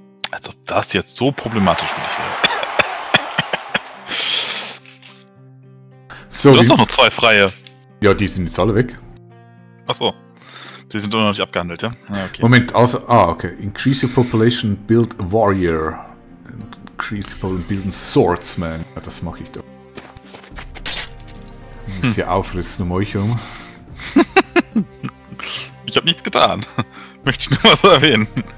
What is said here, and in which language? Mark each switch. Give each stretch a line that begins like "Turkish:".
German: Als ob das jetzt so problematisch für dich wäre. So, du hast noch 2 freie. Ja, die sind jetzt alle weg. Achso. Die sind doch noch nicht abgehandelt, ja? Okay. Moment, also. Ah, okay.
English: Increase your population, build a warrior. Increase your population, build a swordsman.
German: Ja, das mache ich doch. Ein bisschen aufrüsten um euch herum. Ich habe nichts getan. Möchte ich nur mal so erwähnen.